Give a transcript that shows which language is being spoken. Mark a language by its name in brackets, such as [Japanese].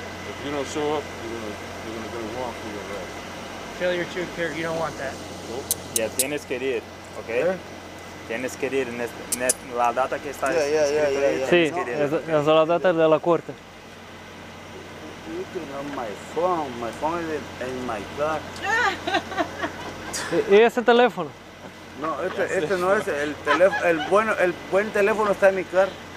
[English] If you don't show up, you're gonna walk through your life. Failure to appear, you don't want that. [Spanish] Nope. Yeah, tienes que ir, okay? Tienes que ir la data que está escrita. Sí, es la data de la corte. [English] You can have my phone is in my car. [Spanish] ¿Y ese teléfono? No, este no es el teléfono, el buen teléfono está en mi car.